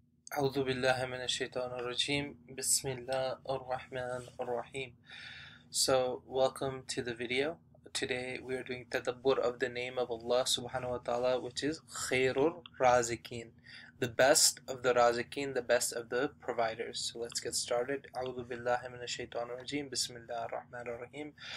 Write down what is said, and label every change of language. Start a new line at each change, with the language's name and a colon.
Arabic: أعوذ بالله من الشيطان الرجيم بسم الله الرحمن الرحيم.
English: So welcome to the video. Today we are doing tadabbur of the name of Allah subhanahu wa ta'ala, which is Kheyr-ur-Raziqin, the best of the Raziqin, the best of the providers. So let's get started.
Arabic: أعوذ بالله من الشيطان الرجيم بسم الله الرحمن الرحيم.